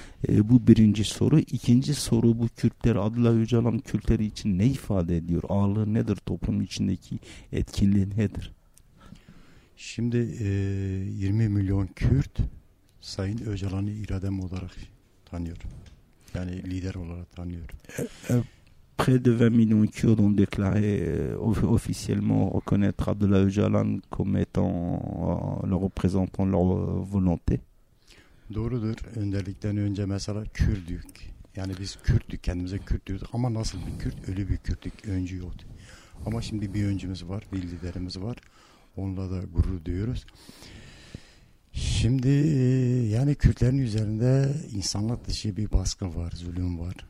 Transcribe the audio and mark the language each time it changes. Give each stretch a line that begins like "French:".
Turkish: Bu birinci soru. İkinci soru, bu Kürtler, Abdullah Öcalan Kürtleri için ne ifade ediyor? Ağırlığı nedir? Toplum içindeki etkinliği nedir? Şimdi 20 milyon Kürt Sayın Öcalan'ı iradem olarak tanıyor. Yani lider olarak tanıyor.
French: Près de 20 millions Kurdes ont déclaré officiellement reconnaître Abdullah Öcalan comme étant le représentant de leur volonté.
Turkish: Doğrudur. Öncelikten önce mesela Kürt'ük. Yani biz Kürttük, kendimize Kürt diyorduk ama nasıl bir Kürt? Ölü bir Kürttük, öncü yoktu. Ama şimdi bir öncümüz var, bir liderimiz var. Onunla da gurur duyuyoruz. Şimdi yani Kürtlerin üzerinde insanlık dışı bir baskı var, zulüm var.